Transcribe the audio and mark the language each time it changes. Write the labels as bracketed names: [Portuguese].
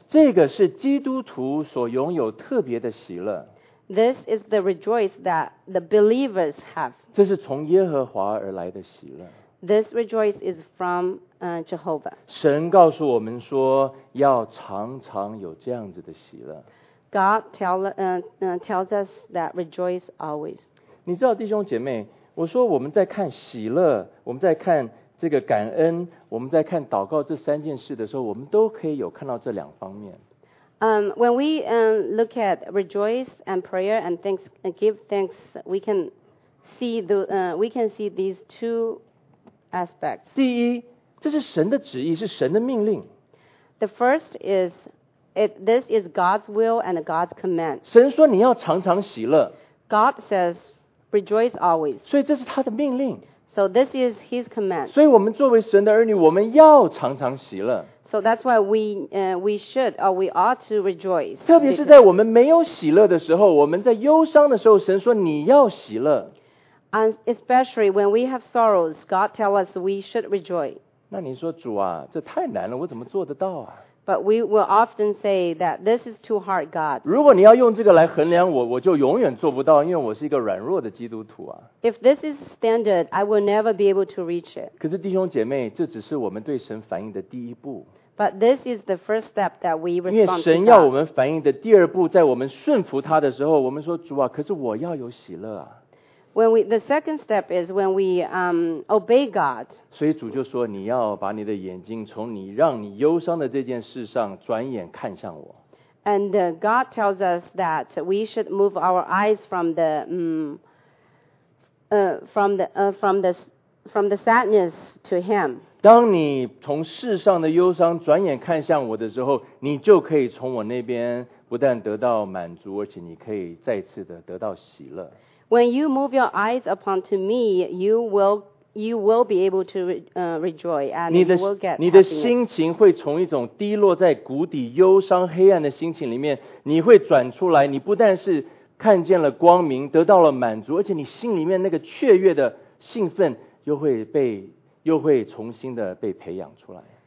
[Chinese] 这个是基督徒所拥有特别的喜乐。 [English] This is the rejoice that the believers have. [Chinese] 这是从耶和华而来的喜乐。 [English] This rejoice is from Jehovah. [Chinese] 神告诉我们说，要常常有这样子的喜乐。 [English] God tells us that rejoice always. [Chinese] 你知道，弟兄姐妹，我说我们在看喜乐，我们在看这个感恩，我们在看祷告这三件事的时候，我们都可以有看到这两方面。 [English] When we look at rejoice and prayer and thanks and give thanks, we can see these two. Aspects. [Chinese] 第一，这是神的旨意，是神的命令。 [English] The first is, this is God's will and God's command. [Chinese] 神说你要常常喜乐。 [English] God says, rejoice always. [Chinese] 所以这是他的命令。 [English] So this is his command. [Chinese] 所以我们作为神的儿女，我们要常常喜乐。 [English] So that's why we ought to rejoice. [Chinese] 特别是在我们没有喜乐的时候，我们在忧伤的时候，神说你要喜乐。 [English] And especially when we have sorrows, God tells us we should rejoice. [Chinese] 那你说，主啊，这太难了，我怎么做得到啊？ [English] But we will often say that this is too hard, God. [Chinese] 如果你要用这个来衡量我，我就永远做不到，因为我是一个软弱的基督徒啊。 [English] If this is standard, I will never be able to reach it. [Chinese] 可是弟兄姐妹，这只是我们对神反应的第一步。 [English] But this is the first step that we respond to God. [Chinese] 因为神要我们反应的第二步，在我们顺服他的时候，我们说，主啊，可是我要有喜乐啊。 [English] The second step is when we obey God. [Chinese] 所以主就说，你要把你的眼睛从你让你忧伤的这件事上转眼看向我。 [English] And God tells us that we should move our eyes from the sadness to Him. [Chinese] 当你从世上的忧伤转眼看向我的时候，你就可以从我那边不但得到满足，而且你可以再次的得到喜乐。 [English] When you move your eyes upon to me, you will be able to rejoice and you will get happiness. [Chinese] 你的心情会从一种低落在谷底、忧伤、黑暗的心情里面，你会转出来。你不但是看见了光明，得到了满足，而且你心里面那个雀跃的兴奋又会重新的被培养出来。